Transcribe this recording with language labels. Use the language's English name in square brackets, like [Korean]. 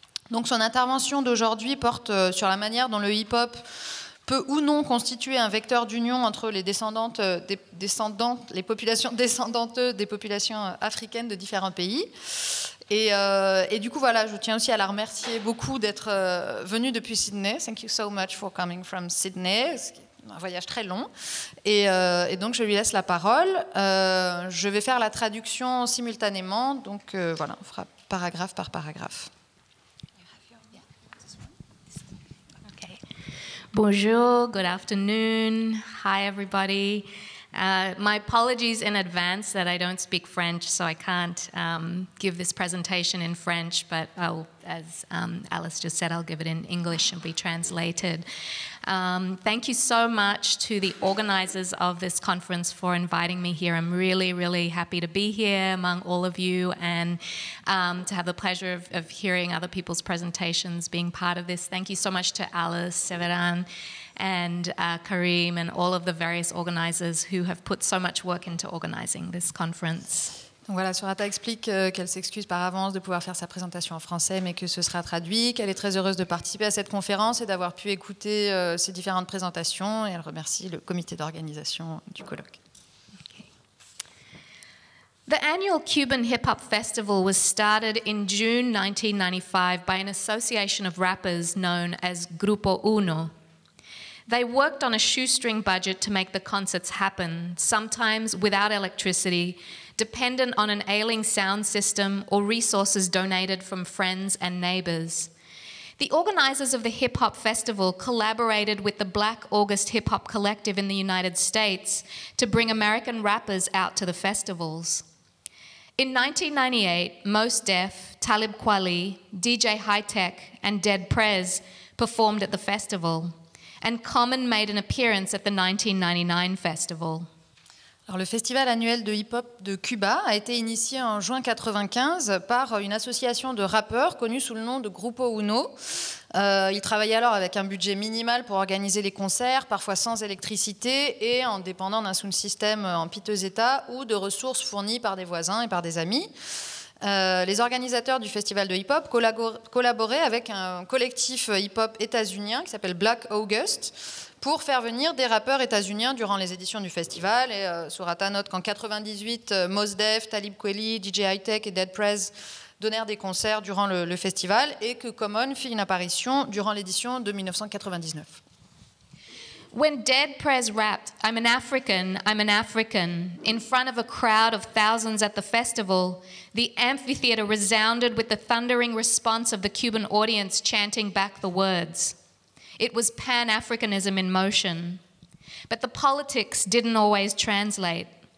[French] Donc son intervention d'aujourd'hui porte sur la manière dont le hip-hop peut ou non constituer un vecteur d'union entre les populations descendantes des populations africaines de différents pays. Et du coup, voilà, je tiens aussi à la remercier beaucoup d'être venue depuis Sydney. [English] Thank you so much for coming from Sydney. [French] Un voyage très long. Et donc, je lui laisse la parole. Je vais faire la traduction simultanément. Donc, voilà, on fera paragraphe par paragraphe. [English] Okay. [French] Bonjour, [English] good afternoon. Hi, everybody. My apologies in advance that I don't speak French, so I can't give this presentation in French, but I'll, as Alice just said, I'll give it in English and be translated. Thank you so much to the organizers of this conference for inviting me here. I'm really, really happy to be here among all of you and to have the pleasure of hearing other people's presentations, being part of this. Thank you so much to Alice, Severan, and Karim, and all of the various organizers who have put so much work into organizing this conference. [French] Donc voilà, Sourata explique qu'elle s'excuse par avance de pouvoir faire sa présentation en français, mais que ce sera traduit, qu'elle est très heureuse de participer à cette conférence et d'avoir pu écouter ces différentes présentations, et elle remercie le comité d'organisation du colloque. [English] The annual Cuban Hip Hop Festival was started in June 1995 by an association of rappers known as Grupo Uno. They worked on a shoestring budget to make the concerts happen, sometimes without electricity, dependent on an ailing sound system or resources donated from friends and neighbors. The organizers of the Hip Hop Festival collaborated with the Black August Hip Hop Collective in the United States to bring American rappers out to the festivals. In 1998, Mos Def, Talib Kweli, DJ High Tech, and Dead Prez performed at the festival. And Common made an appearance at the 1999 festival. [French] Alors, le festival annuel de hip-hop de Cuba a été initié en juin 1995 par une association de rappeurs connue sous le nom de Grupo Uno. Ils travaillaient alors avec un budget minimal pour organiser les concerts, parfois sans électricité et en dépendant d'un sound system en piteux état ou de ressources fournies par des voisins et par des amis. Les organisateurs du festival de hip-hop collaboraient avec un collectif hip-hop états-unien qui s'appelle Black August pour faire venir des rappeurs états-uniens durant les éditions du festival. Et Sourata note qu'en 1998, Mos Def, Talib Kweli, DJ High Tech et Dead Prez donnèrent des concerts durant le festival et que Common fit une apparition durant l'édition de 1999. [English] When Dead Prez rapped, "I'm an African, I'm an African," in front of a crowd of thousands at the festival, the amphitheater resounded with the thundering response of the Cuban audience chanting back the words. It was Pan-Africanism in motion. But the politics didn't always translate.